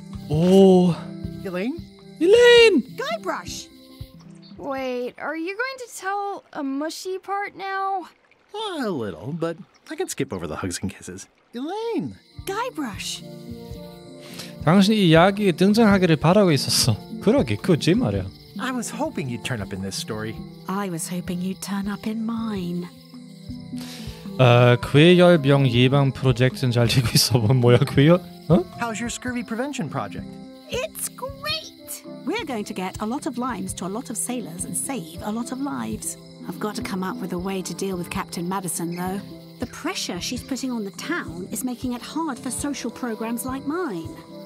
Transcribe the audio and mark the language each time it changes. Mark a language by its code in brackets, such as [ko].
[en] 오. Elaine? Elaine! Guybrush! Wait, are you going to tell a mushy part now? A little, but I can skip over the hugs and kisses. Elaine! Guybrush! [ko] 당신이 이 이야기에 등장하기를 바라고 있었어. 그러게, 그 제 말이야. [en] I was hoping you'd turn up in this story. I was hoping you'd turn up in mine. [ko] 그의 열병 예방 프로젝트는 잘 되고 있어. 뭐야, 그 열... 어? [en] How's your scurvy prevention project? It's great! We're going to get a lot of limes to a lot of sailors and save a lot of lives. I've got to come up with a way to deal with Captain Madison, though. The pressure she's putting on the town is making it hard for social programs like mine.